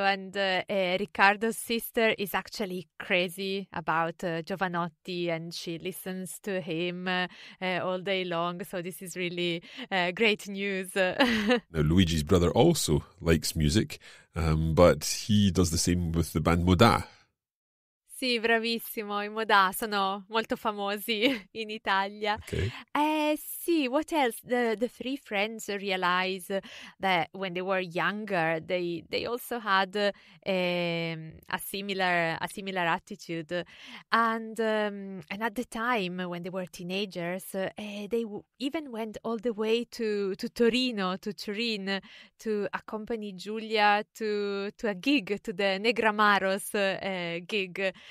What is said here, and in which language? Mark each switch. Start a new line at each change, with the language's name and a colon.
English: And Riccardo's sister is actually crazy about Jovanotti, and she listens to him all day long. So this is really great news. Now, Luigi's brother also likes music, but he does the same with the band Moda.
Italian: Sì, bravissimo, i Moda sono molto famosi in Italia.
English: Okay. Sì, what else? The three friends realize that when they were younger, they also had a similar attitude. And and at the time, when they were teenagers, they even went all the way to Turin to accompany Giulia to a gig, to the Negramaros gig.